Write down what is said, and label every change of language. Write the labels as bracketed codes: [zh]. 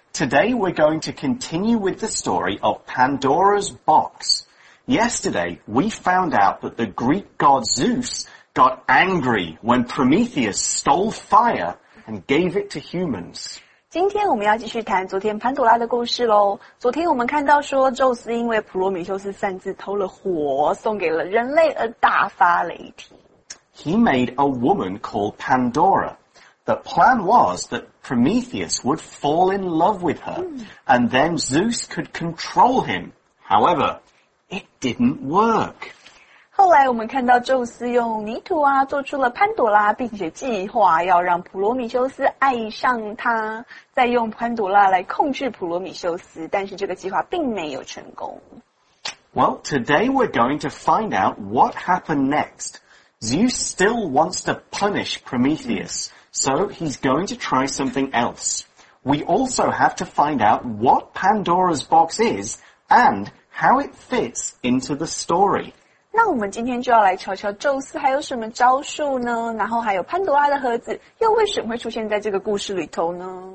[en] Today we're going to continue with the story of Pandora's Box. Yesterday, we found out that the Greek god Zeus got angry when Prometheus stole fire and gave it to humans. [zh] 今天我们要继续谈昨天潘多拉的故事咯。昨天我们看到说宙斯因为普罗米修斯擅自偷了火送给了人类而大发雷霆。 [en] He made a woman called Pandora. The plan was that Prometheus would fall in love with her, and then Zeus could control him. However, it didn't work. [zh] 后来我们看到宙斯用泥土啊做出了潘朵拉，并且计划要让普罗米修斯爱上他，再用潘朵拉来控制普罗米修斯，但是这个计划并没有成功。 [en] Well, today we're going to find out what happened next. Zeus still wants to punish Prometheus, so he's going to try something else. We also have to find out what Pandora's box is and how it fits into the story. [zh] 那我们今天就要来瞧瞧宙斯还有什么招数呢？然后还有潘多拉的盒子又为什么会出现在这个故事里头呢？